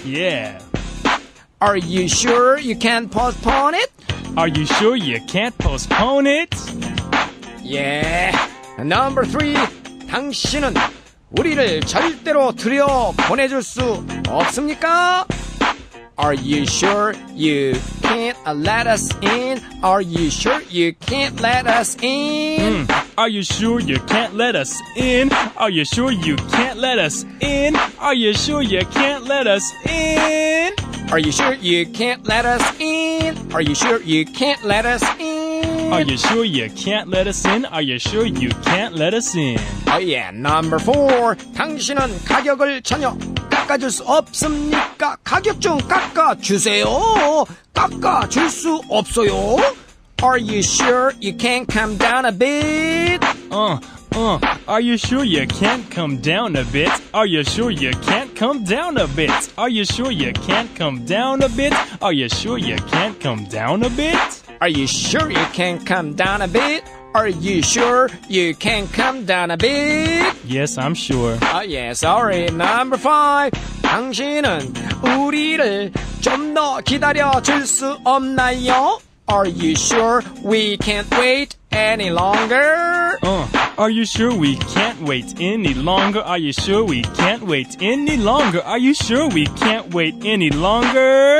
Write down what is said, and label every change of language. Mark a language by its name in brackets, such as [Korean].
[English] Yeah. Are you sure you can't postpone it? Are you sure you can't postpone it? Yeah. Number three. [Korean] 당신은 우리를 절대로 들여 보내줄 수 없습니까? [English] Are you sure you can't let us in? Are you sure you can't let us in? Are you sure you can't let us in? Are you sure you can't let us in? Are you sure you can't let us in? Are you sure you can't let us in? Are you sure you can't let us in? Are you sure you can't let us in? Are you sure you can't let us in? Oh yeah, number four. [Korean] 당신은 가격을 전혀 깎아줄 수 없습니까? 가격 좀 깎아주세요. 깎아줄 수 없어요. [English] Are you sure you can't come down a bit? Are you sure you can't come down a bit? Are you sure you can't come down a bit? Are you sure you can't come down a bit? Are you sure you can't come down a bit? Are you sure you can't come down a bit? Are you sure you can't come down a bit? Yes, I'm sure. Oh, yeah, sorry. Number five. [Korean] 당신은 우리를 좀 더 기다려줄 수 없나요? [English] Are you sure we can't wait any longer? Are you sure we can't wait any longer? Are you sure we can't wait any longer? Are you sure we can't wait any longer?